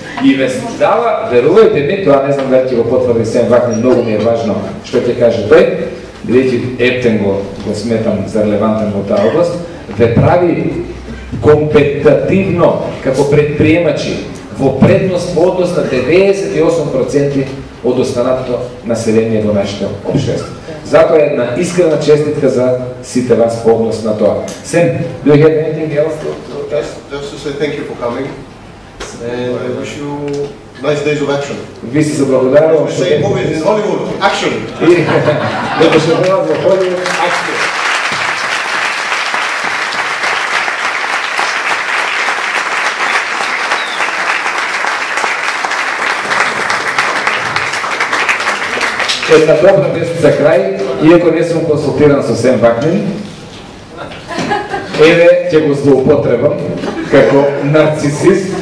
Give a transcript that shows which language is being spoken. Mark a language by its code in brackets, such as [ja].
[mk] И ве дава, верувајте ми, тоа не знам дали ќе го потврди Сем Вакнин, многу ми е важно што ќе каже тој, бидејќи ептен го сметам за релевантен во таа област, ве прави компетитивно како предприемачи во предност во однос на 98% од останатото население во нашето општество. Затоа една искрена честитка за сите вас во однос на тоа. [en] Сем, do you have anything else to test? Just to say thank you for coming. And I wish you nice days of action. [mk] Ви се заблагодарам. [en] As we say in movies in Hollywood, action! [mk] Лепо се заблагодарам во Hollywood, action! Една добра вест за крај, иако не сум консултиран со Сем Вакнин, еве ќе го злоупотребам како нарцисист.